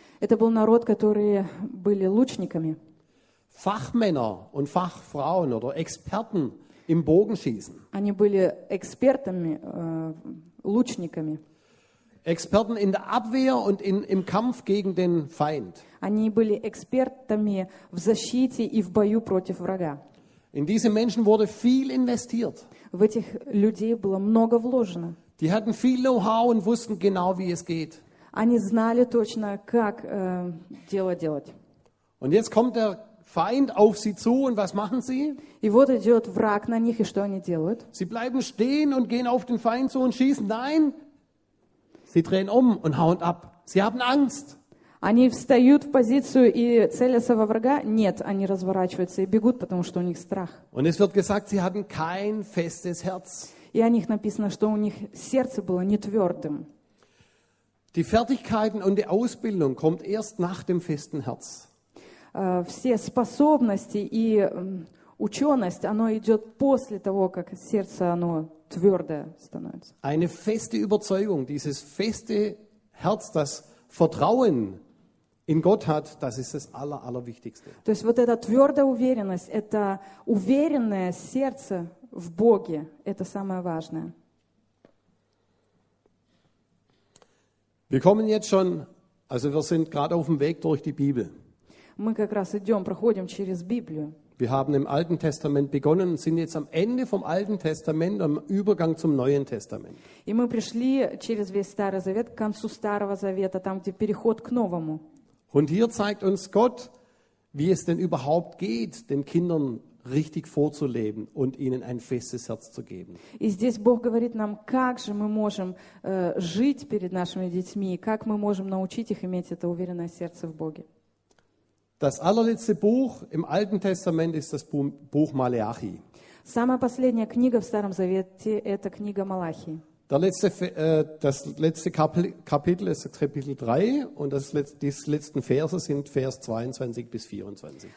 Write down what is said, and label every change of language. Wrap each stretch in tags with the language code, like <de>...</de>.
<ru>Это был народ, которые были лучниками.</ru> <de>Fachmänner und Fachfrauen oder Experten im Bogenschießen.</de> <ru>Они были экспертами, лучниками.</ru> <de>Experten in der Abwehr und im Kampf gegen den Feind.</de> <ru>Они были экспертами в защите и в бою против врага.</ru> <de>In diese Menschen wurde viel investiert.</de> <ru>В этих людей было много вложено.</ru> <de>Die hatten viel Know-how und wussten genau, wie es geht.</de> <ru>Они знали точно, как дело делать.</ru> <de>Und jetzt kommt der Feind auf sie zu und was machen sie?</de> <ru>И вот идет враг на них, и что они делают?</ru> <de>Sie bleiben stehen und gehen auf den Feind zu und schießen. Nein, sie drehen um und hauen ab. Sie haben Angst.</de> <ru>Они встают в позицию и целятся во врага? Нет, они разворачиваются и бегут, потому что у них страх.</ru> <de>Und es wird gesagt, sie hatten kein festes Herz.</de> <ru>И о них написано, что у них сердце было не твердым.</ru> <de>Die Fertigkeiten und die Ausbildung kommt erst nach dem festen Herz.</de> <ru>Все способности и ученость, оно идет после того, как сердце оно твердое становится.</ru> <de>Eine feste Überzeugung, dieses feste Herz, das Vertrauen in Gott hat, das ist das Allerwichtigste.</de> <ru>То есть вот эта твердая уверенность, это уверенное сердце в Боге, это самое важное.</ru> <de>Wir kommen jetzt schon, also wir sind gerade auf dem Weg durch die Bibel.</de> <ru>Мы как раз идем, проходим через Библию.</ru> <de>Wir haben im Alten Testament begonnen und sind jetzt am Ende vom Alten Testament, am Übergang zum Neuen Testament.</de> <ru>И мы пришли через весь Старый Завет к концу Старого Завета, там, где переход к Новому.</ru> <de>Und hier zeigt uns Gott, wie es denn überhaupt geht, den Kindern richtig vorzuleben und ihnen ein festes Herz zu geben.</de> <ru>И здесь Бог говорит нам, как же мы можем жить перед нашими детьми, как мы можем научить их иметь это уверенное сердце в Боге.</ru> <de>Das allerletzte Buch im Alten Testament ist das Buch Maleachi.</de> <ru>Самая последняя книга в Старом Завете – это книга Малахи.</ru> <de>Das letzte Kapitel ist Kapitel 3 und die letzten Verse sind Vers 22 bis 24.</de>